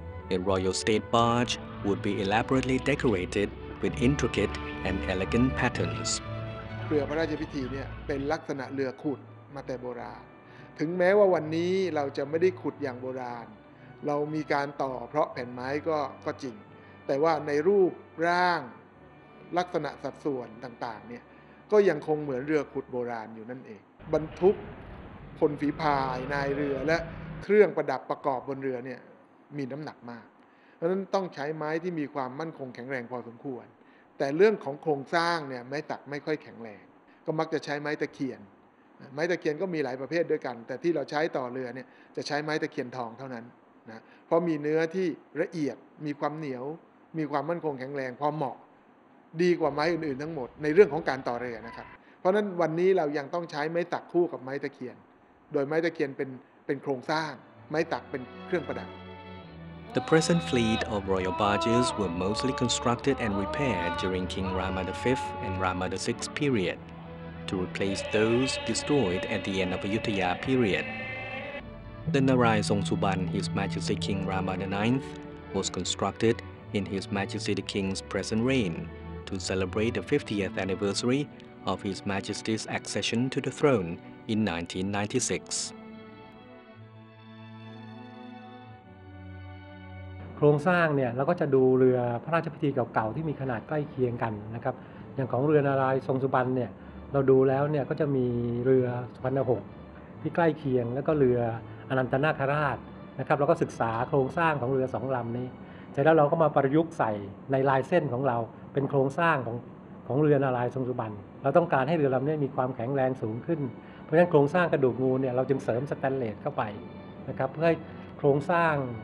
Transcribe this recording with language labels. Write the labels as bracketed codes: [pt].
[en] A royal state barge would be elaborately decorated with intricate and elegant patterns. [th] เรือพระราชพิธีเนี่ยเป็นลักษณะเรือขุดมาแต่โบราณถึงแม้ว่าวันนี้เราจะไม่ได้ขุดอย่างโบราณเรามีการต่อเพราะแผ่นไม้ก็จริงแต่ว่าในรูปร่าง ลักษณะสัดส่วนต่างๆเนี่ยก็ยังคงเหมือนเรือขุดโบราณอยู่นั่นเองบรรทุกพลฝีพายนายเรือและเครื่องประดับประกอบบนเรือเนี่ยมีน้ำหนักมากเพราะฉะนั้นต้องใช้ไม้ที่มีความมั่นคงแข็งแรงพอสมควรแต่เรื่องของโครงสร้างเนี่ยไม้ตักไม่ค่อยแข็งแรงก็มักจะใช้ไม้ตะเคียนไม้ตะเคียนก็มีหลายประเภทด้วยกันแต่ที่เราใช้ต่อเรือเนี่ยจะใช้ไม้ตะเคียนทองเท่านั้นนะเพราะมีเนื้อที่ละเอียดมีความเหนียวมีความมั่นคงแข็งแรงความเหมาะ ดีกว่าไม้อื่นๆทั้งหมดในเรื่องของการต่อเรือนะครับเพราะนั้นวันนี้เรายังต้องใช้ไม้ตักคู่กับไม้ตะเคียนโดยไม้ตะเคียนเป็นโครงสร้างไม้ตักเป็นเครื่องประดับ [en] The present fleet of royal barges were mostly constructed and repaired during King Rama V and Rama VI period to replace those destroyed at the end of Ayutthaya period. The Narai Song Suban, His Majesty King Rama IX, was constructed in His Majesty the King's present reign to celebrate the 50th anniversary of His Majesty's accession to the throne in 1996. [th] โครงสร้างเนี่ยเราก็จะดูเรือพระราชพิธีเก่าๆที่มีขนาดใกล้เคียงกันนะครับอย่างของเรือนารายณ์ทรงสุบรรณเนี่ยเราดูแล้วเนี่ยก็จะมีเรือสุพรรณหงส์ที่ใกล้เคียงแล้วก็เรืออนันตนาคราชนะครับเราก็ศึกษาโครงสร้างของเรือ2ลำนี้เสร็จแล้วเราก็มาประยุกต์ใส่ในลายเส้นของเราเป็นโครงสร้างของเรือนารายณ์ทรงสุบรรณเราต้องการให้เรือลำนี้มีความแข็งแรงสูงขึ้นเพราะฉะนั้นโครงสร้างกระดูกงูเนี่ยเราจึงเสริมสแตนเลสเข้าไปนะครับเพื่อให้โครงสร้าง